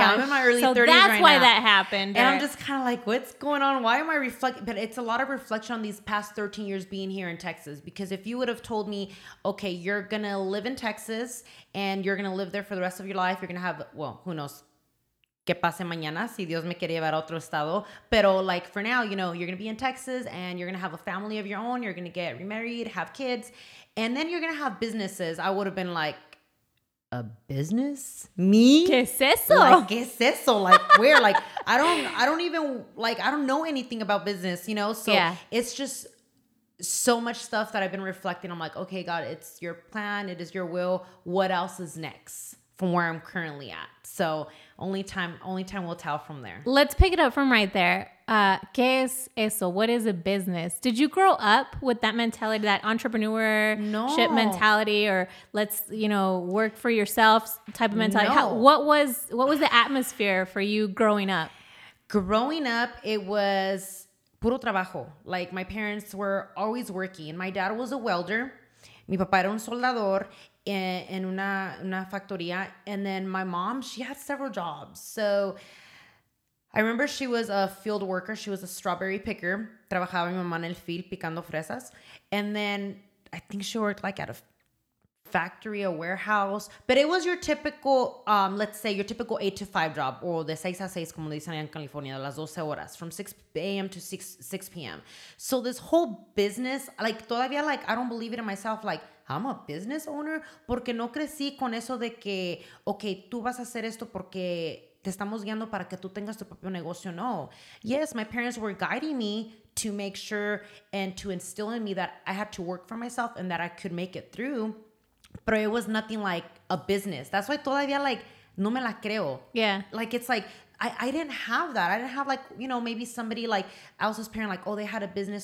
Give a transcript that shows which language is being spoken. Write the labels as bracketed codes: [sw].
[en] Yeah, I'm in my early 30s right now. So that's why that happened. And I'm just kind of like, what's going on? Why am I reflecting? But it's a lot of reflection on these past 13 years being here in Texas. Because if you would have told me, okay, you're going to live in Texas, and you're going to live there for the rest of your life, you're going to have, well, who knows? [es] Que pase mañana si Dios me quiere llevar a otro estado. Pero [en] like for now, you know, you're going to be in Texas and you're going to have a family of your own. You're going to get remarried, have kids, and then you're going to have businesses. I would have been like, a business? Me? [es] ¿Qué es eso? Like, ¿qué es eso? [en] Like where? Like, I don't know anything about business, you know? So it's just so much stuff that I've been reflecting. I'm like, okay, God, it's your plan. It is your will. What else is next from where I'm currently at? So only time will tell from there. Let's pick it up from right there. [es] ¿Qué es eso? [en] What is a business? Did you grow up with that mentality, that entrepreneurship mentality, or let's, you know, work for yourself type of mentality? No. What was the atmosphere for you growing up? growing up, it was [es] puro trabajo. [en] Like, my parents were always working. My dad was a welder. [es] Mi papá era un soldador en una factoría. [en] And then my mom, she had several jobs. So I remember she was a field worker. She was a strawberry picker. [es] Trabajaba mi mamá en el field picando fresas. [en] And then I think she worked like at a factory, a warehouse. But it was your typical, let's say, your typical 8-to-5 job. Or [es] de 6 a 6, como dicen en California, de las 12 horas. [en] From 6 a.m. to 6 p.m. So this whole business, like, [es] todavía, [en] like, I don't believe it in myself. Like, I'm a business owner. [es] Porque no crecí con eso de que, okay, tú vas a hacer esto porque te estamos guiando para que tú tengas tu propio negocio. No. [en] Yes, my parents were guiding me to make sure and to instill in me that I had to work for myself and that I could make it through. But it was nothing like a business. That's why [es] todavía, [en] like, [es] no me la creo. [en] Yeah. Like, it's like, I didn't have that. I didn't have, like, you know, maybe somebody, like, Elsa's parent, like, oh, they had a business.